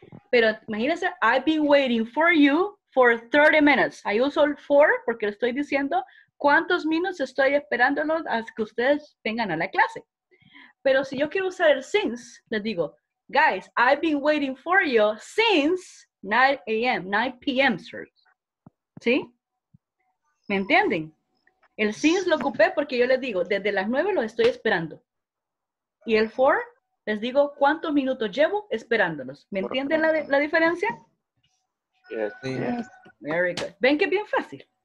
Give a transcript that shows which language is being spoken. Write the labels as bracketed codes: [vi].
[es] Pero imagínense, [en] I've been waiting for you for 30 minutes. [es] I use all for porque le estoy diciendo cuántos minutos estoy esperándolo a que ustedes vengan a la clase. Pero si yo quiero usar el since, les digo, [en] guys, I've been waiting for you since 9 p.m., sirs. [es] ¿Sí? ¿Me entienden? El since lo ocupé porque yo les digo, desde las 9 lo estoy esperando. Y el for, les digo, ¿cuántos minutos llevo esperándolos? ¿Me entienden la diferencia? [en] Yes. Very good. [es] ¿Ven que es bien fácil?